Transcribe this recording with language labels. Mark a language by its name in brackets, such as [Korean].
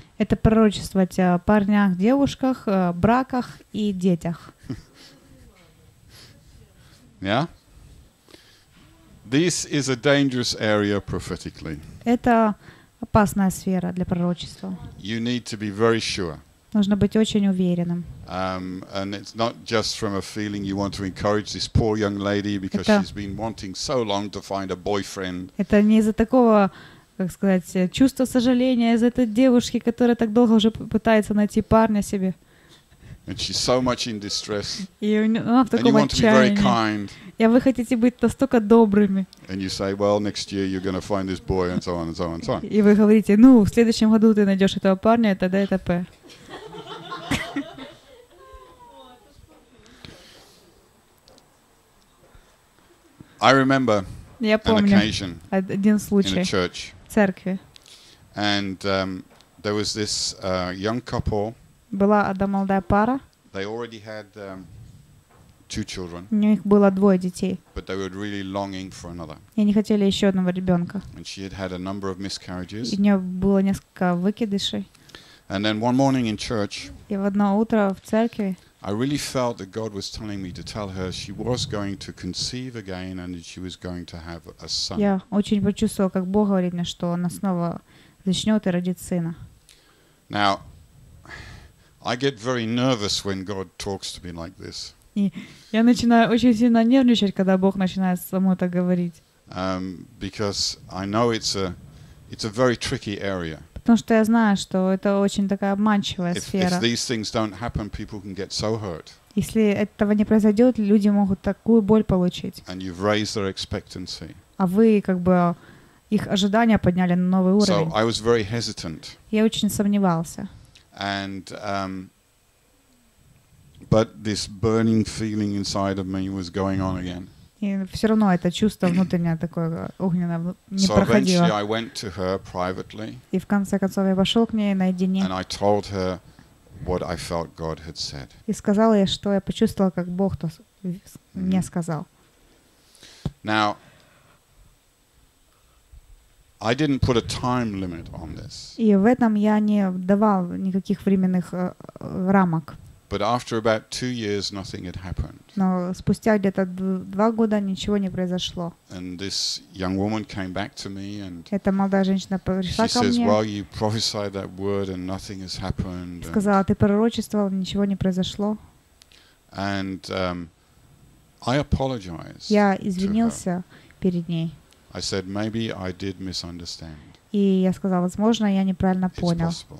[Russian] Это пророчествовать о парнях, девушках, браках и детях. [English] Yeah? This is a dangerous area prophetically. [Russian] Это опасная сфера для пророчества. [English] You need to be very sure. [Russian] Нужно быть очень уверенным. [English] And it's not just from a feeling you want to encourage this poor young lady because she's been wanting so long to find a boyfriend. [Russian] Это не из-за такого, как сказать, чувства сожаления из-за этой девушки, которая так долго уже пытается найти парня себе. [English] And she's so much in distress. [Russian] И она в таком отчаянии. И вы хотите быть настолько добрыми. [English] And you say, well, next year you're going to find this boy and so on and so on and so on. [Russian] И вы говорите, ну, в следующем году ты найдешь этого парня, тогда это п. [English] I remember [Russian] я помню [English] an occasion [Russian] один случай [English] in a church. [Russian] В церкви. [English] And there was this young couple. [Russian] Была одна молодая пара. [English] They already had two children. [Russian] У них было двое детей. [English] But they were really longing for another. [Russian] И они хотели еще одного ребенка. [English] And she had had a number of miscarriages. [Russian] И у нее было несколько выкидышей. [English] And then one morning in church. [Russian] И в одно утро в церкви. [English] I really felt that God was telling me to tell her she was going to conceive again and she was going to have a son. [Russian] Я очень почувствовала, как Бог говорит мне, что она снова зачнет и родит сына. [English] Now, I get very nervous when God talks to me like this. [Russian] И я начинаю очень сильно нервничать, когда Бог начинает со мной так говорить. [English] Because I know it's a very tricky area. [Russian] Потому что я знаю, что это очень такая обманчивая сфера. [English] If these things don't happen, people can get so hurt. [Russian] Если этого не произойдет, люди могут такую боль получить. [English] And you've raised their expectancy. [Russian] А вы как бы их ожидания подняли на новый уровень. [English] So I was very hesitant. [Russian] Я очень сомневался. [English] And but this burning feeling inside of me was going on again. [Russian] И все равно это чувство внутреннее такое огненное не [English] so [Russian] проходило. [English] Eventually I went to her privately. [Russian] И в конце концов я пошел к ней наедине. [English] And I told her what I felt God had said. [Russian] И сказал ей, что я почувствовал, как Бог то мне сказал. [English] Now, I didn't put a time limit on this. [Russian] И в этом я не давал никаких временных рамок. [English] But after about 2 years, nothing had happened. [Russian] Но спустя где-то 2 года ничего не произошло. [English] And this young woman came back to me, and [Russian] эта молодая женщина пришла ко мне. [English] She says, "Well, you prophesied that word, and nothing has happened." [Russian] Сказала, ты пророчествовал, ничего не произошло. [English] And I apologized. [Russian] Я извинился перед ней. [English] I said, "Maybe I did misunderstand." [Russian] И я сказал, возможно, я неправильно понял.